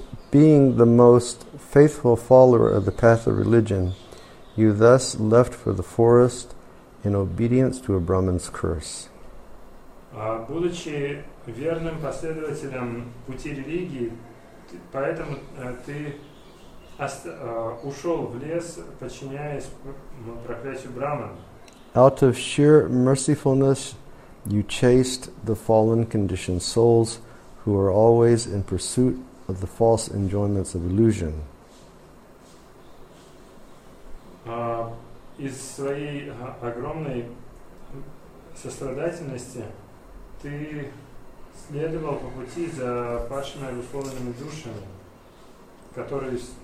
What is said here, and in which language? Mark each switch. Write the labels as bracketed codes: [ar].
[en] Being the most faithful follower of the path of religion, you thus left for the forest in obedience to a Brahmin's curse. [ru] Будучи верным последователем пути религии, поэтому ты ушел в лес, подчиняясь проклятию Брахмана. [en] Out of sheer mercifulness, you chased the fallen conditioned souls who are always in pursuit of the false enjoyments of illusion. [ru] Из своей огромной сострадательности ты следовал по пути за падшими обусловленными душами, которые